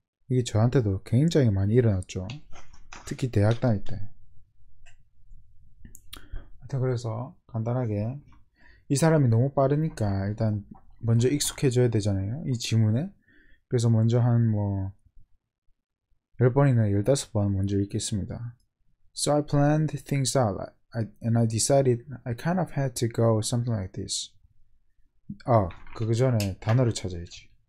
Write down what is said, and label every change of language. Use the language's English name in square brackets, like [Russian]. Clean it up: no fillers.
[Korean] 이게 저한테도 굉장히 많이 일어났죠. 특히 대학 다닐 때. 하여튼 그래서 간단하게 이 사람이 너무 빠르니까 일단 먼저 익숙해져야 되잖아요. 이 지문에. 그래서 먼저 한 뭐 10번이나 15번 먼저 읽겠습니다. [English] So I planned things out and I decided I kind of had to go something like this. [Korean] 아, 그 전에 단어를 찾아야지.